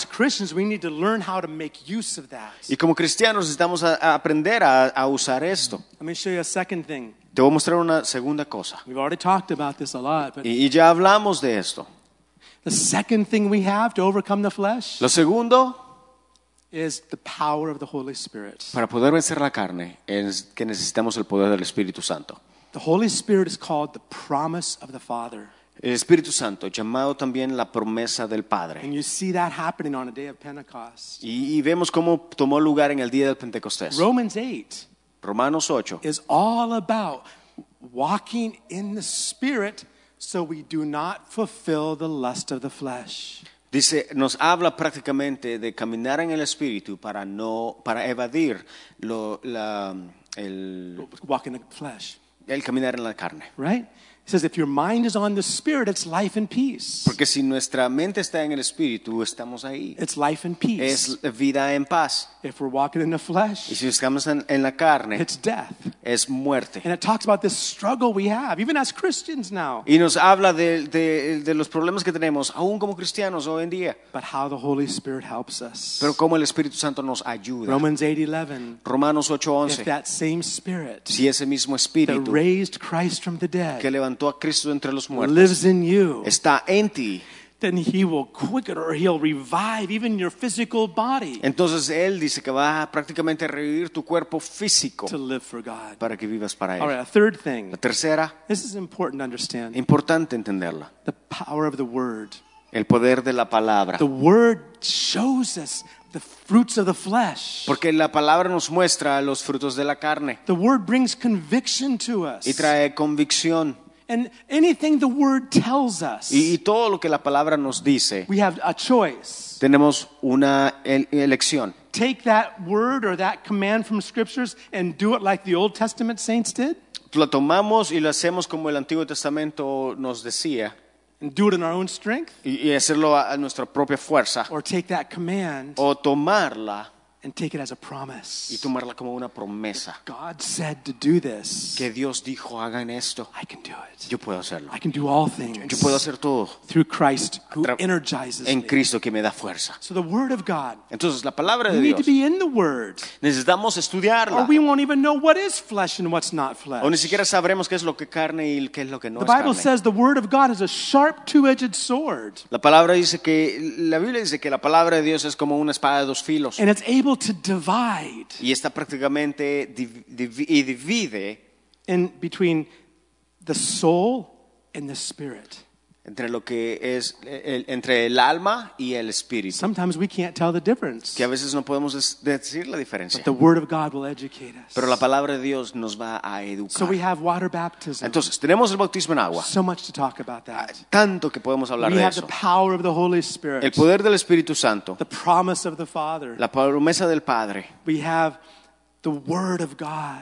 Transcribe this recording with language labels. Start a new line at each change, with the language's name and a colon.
English: And as Christians, we need to learn how to make use of that.
Spanish: Y como cristianos necesitamos aprender a usar esto.
English: Let me show you a second thing.
Spanish: Te voy a mostrar una segunda cosa.
English: We've already talked about this a lot, but
Spanish: y ya hablamos de esto.
English: The second thing we have to overcome the flesh.
Spanish: Lo segundo
English: is the power of the Holy Spirit.
Spanish: Para poder vencer la carne es que necesitamos el poder del Espíritu Santo.
English: The Holy Spirit is called the promise of the Father.
Spanish: El Espíritu Santo, llamado también la promesa del Padre.
English: And you see that happening on the day of Pentecost.
Spanish: Y vemos cómo tomó lugar en el día del Pentecostés.
English: Romans 8.
Spanish: Romanos 8.
English: Is all about walking in the Spirit so we do not fulfill the lust of the flesh.
Spanish: Dice, nos habla prácticamente de caminar en el Espíritu para no, para evadir lo, la, el,
English: walk in the flesh.
Spanish: El caminar en la carne.
English: Right? He says, if your mind is on the Spirit, it's life and peace.
Spanish: Porque si nuestra mente está en el Espíritu, estamos ahí.
English: It's life and peace.
Spanish: Es vida en paz.
English: If we're walking in the flesh,
Spanish: y si estamos en la carne,
English: it's death.
Spanish: Es muerte.
English: And it talks about this struggle we have, even as Christians now.
Spanish: Y nos habla de los problemas que tenemos, aún como cristianos hoy en día.
English: But how the Holy Spirit helps us.
Spanish: Pero cómo el Espíritu Santo nos ayuda.
English: Romans 8:11.
Spanish: Romanos 8:11.
English: If that same Spirit,
Spanish: si ese mismo Espíritu,
English: that raised Christ from the dead,
Spanish: que levantó a Cristo entre los muertos,
English: lives in you,
Spanish: está en ti,
English: then he will quicken or he'll revive even your physical body.
Spanish: Entonces él dice que va prácticamente a revivir tu cuerpo físico
English: to live for God.
Spanish: Para que vivas para él.
English: All right, a third thing.
Spanish: La tercera.
English: This is important to understand.
Spanish: Importante entenderla.
English: The power of the word.
Spanish: El poder de la palabra.
English: The word shows us the fruits of the flesh.
Spanish: Porque la palabra nos muestra los frutos de la carne.
English: The word brings conviction to us.
Spanish: Y trae convicción.
English: And anything the word tells us,
Spanish: y todo lo que la palabra nos dice,
English: we have a choice.
Spanish: Tenemos una elección.
English: Take that word or that command from scriptures and do it like the Old Testament saints did.
Spanish: Lo tomamos y lo hacemos como el Antiguo Testamento nos decía.
English: And do it in our own strength.
Spanish: Y hacerlo a nuestra propia fuerza.
English: Or take that command.
Spanish: O tomarla.
English: and take it as a promise.
Spanish: Y tomarla como una promesa.
English: God said to do this.
Spanish: Que Dios dijo, hagan esto.
English: I can do it.
Spanish: Yo puedo hacerlo.
English: I can do all things.
Spanish: Yo puedo hacer todo.
English: Through Christ who energizes me.
Spanish: En Cristo que me da fuerza.
English: So the word of God.
Spanish: Entonces la palabra de Dios.
English: We need to be in the word.
Spanish: Necesitamos estudiarla.
English: Or we won't even know what is flesh and what's not flesh.
Spanish: O ni siquiera sabremos qué es lo que carne y qué es lo que no es
English: carne. The Bible says the word of God is a sharp two-edged sword.
Spanish: La palabra dice que la Biblia dice que la palabra de Dios es como una espada de dos filos.
English: And it's able to divide.
Spanish: Y está prácticamente y divide
English: in between the soul and the spirit.
Spanish: Entre lo que es entre el alma y el espíritu.
English: Sometimes we can't tell the difference.
Spanish: Que a veces no podemos decir la diferencia.
English: But the word of God will educate us.
Spanish: Pero la palabra de Dios nos va a educar.
English: So we have water baptism.
Spanish: Entonces tenemos el bautismo en agua.
English: So much to talk about that.
Spanish: Tanto que podemos hablar de eso.
English: We have the power of the Holy Spirit.
Spanish: El poder del Espíritu Santo.
English: The promise of the Father.
Spanish: La promesa del Padre.
English: We have the word of God.